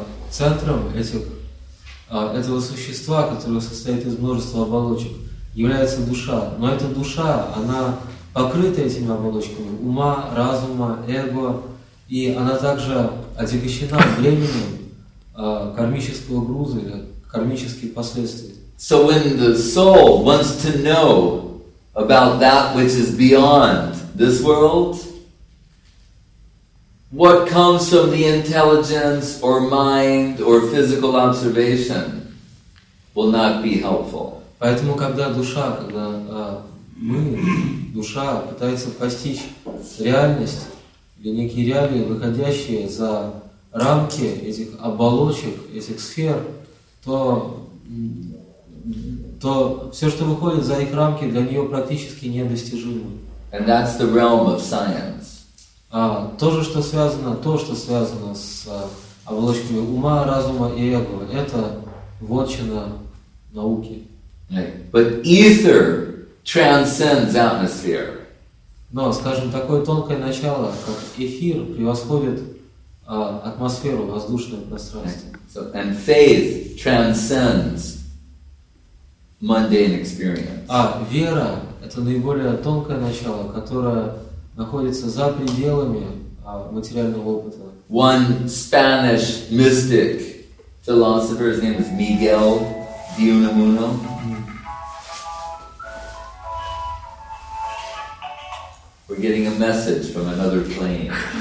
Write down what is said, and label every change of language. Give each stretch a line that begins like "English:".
Russian: Центром этого существа, которое состоит из множества оболочек, является душа. Но эта душа, она покрыта этими оболочками ума, разума, эго, и она также отягощена временем кармического груза или кармических последствий.
English: So when the soul wants to know about that which is beyond this world, what comes from the intelligence or mind or physical observation will not be helpful.
Russian: Поэтому, когда душа, когда душа пытается постичь реальность или некие реалии, выходящие за рамки этих оболочек, этих сфер, то все, что выходит за их рамки, для нее практически недостижимо.
English: And that's the realm of science.
Russian: То, что связано с оболочками ума, разума и эго, это вотчина науки.
English: But ether transcends atmosphere.
Russian: Но, скажем, такое тонкое начало, как эфир, превосходит атмосферу, воздушное пространство.
English: So, and faith transcends mundane experience.
Russian: Вера — это наиболее тонкое начало, которое находится за пределами материального опыта.
English: One Spanish mystic philosopher, his name is Miguel de Unamuno. We're getting a message from another plane.